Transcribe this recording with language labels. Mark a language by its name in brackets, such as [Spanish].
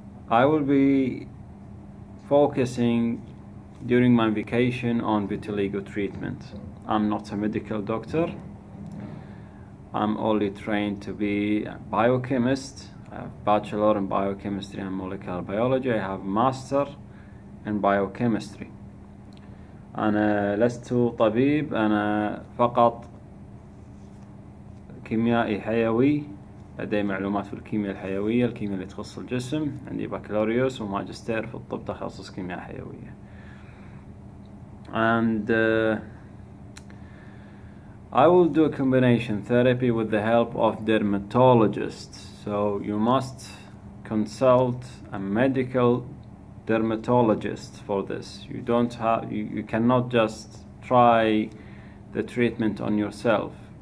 [English] I will be focusing during my vacation on vitiligo treatment. I'm not a medical doctor. I'm only trained to be a biochemist. I have a bachelor in biochemistry and molecular biology. I have a master in biochemistry. [Arabic] أنا لست طبيب، أنا فقط كيميائي حيوي، لدي معلومات في الكيمياء الحيوية، الكيمياء اللي تخص الجسم، عندي بكالوريوس وماجستير في الطب تخصص كيمياء حيوية. [English] And I will do a combination therapy with the help of dermatologists. So you must consult a medical dermatologist for this. You don't have, you cannot just try the treatment on yourself.